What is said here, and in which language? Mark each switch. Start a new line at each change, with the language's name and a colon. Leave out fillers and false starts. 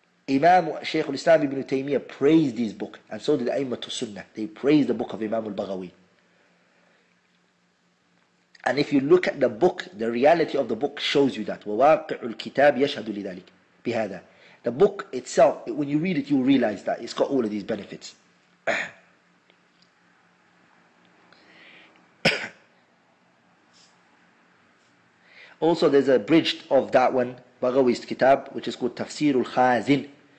English: إمام شيخ الإسلام ابن تيمية praised this book and so did أئمة السنة. They praised the book of إمام البغوي. And if you look at the book, the reality of the book shows you that.
Arabic: وواقع الكتاب يشهد لذلك بهذا.
English: The book itself, when you read it, you realize that it's got all of these benefits. Also, there's a bridge of that one, Baghawi's Kitab, which is called Tafsir al-Khazin.